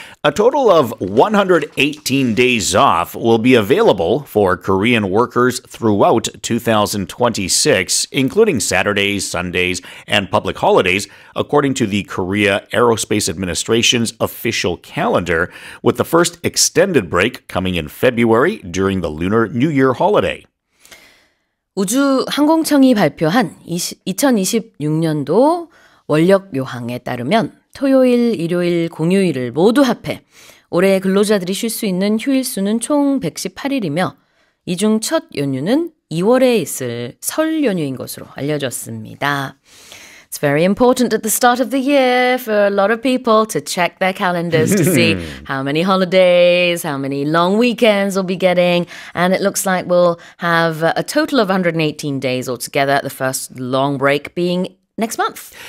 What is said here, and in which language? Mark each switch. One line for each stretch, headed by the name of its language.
English: A total of 118 days off will be available for Korean workers throughout 2026, including Saturdays, Sundays, and public holidays, according to the Korea Aerospace Administration's official calendar, with the first extended break coming in February during the Lunar New Year holiday.
Korean: 우주항공청이 발표한 2026년도 월력요항에 따르면 토요일, 일요일, 공휴일을 모두 합해 올해 근로자들이 쉴 수 있는 휴일 수는 총 118일이며 이 중 첫 연휴는 2월에 있을 설 연휴인 것으로 알려졌습니다.
English: It's very important at the start of the year for a lot of people to check their calendars to see how many holidays, how many long weekends we'll be getting. And it looks like we'll have a total of 118 days altogether, the first long break being next month.